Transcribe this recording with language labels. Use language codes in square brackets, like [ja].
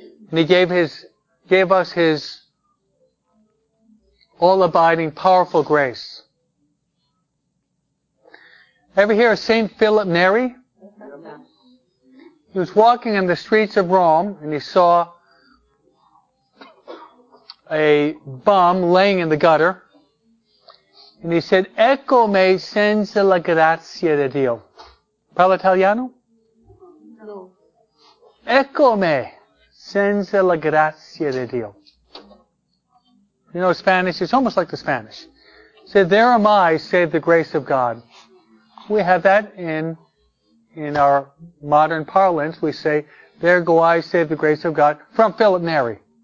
[en] And He gave us His all-abiding, powerful grace. Ever hear of Saint Philip Neri? He was walking in the streets of Rome and he saw a bum laying in the gutter. And he said, [it] Ecco me senza la grazia di Dio. Parla italiano? [en] No. [it] Ecco me senza la grazia di Dio. [en] You know Spanish? It's almost like the Spanish. He said, there am I, save the grace of God. We have that in our modern parlance, we say, there go I, save the grace of God, from Philip Neri.